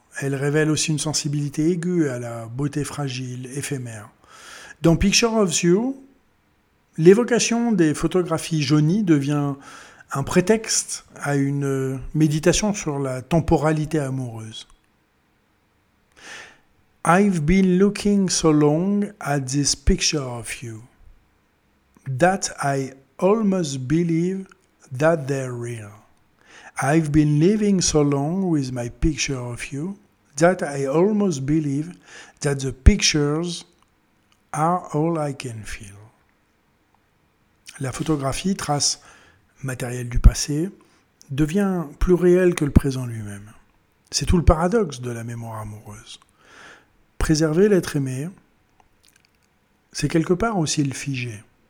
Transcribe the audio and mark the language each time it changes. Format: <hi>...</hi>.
<fr>Elle révèle aussi une sensibilité aiguë à la beauté fragile, éphémère. Dans Picture of You, l'évocation des photographies jaunies devient un prétexte à une méditation sur la temporalité amoureuse.</fr> <en>I've been looking so long at this picture of you that I almost believe that they're real. I've been living so long with my picture of you that I almost believe that the pictures are all I can feel.</en> <fr>La photographie, trace matérielle du passé, devient plus réelle que le présent lui-même. C'est tout le paradoxe de la mémoire amoureuse. Préserver l'être aimé, c'est quelque part aussi le figer.</fr>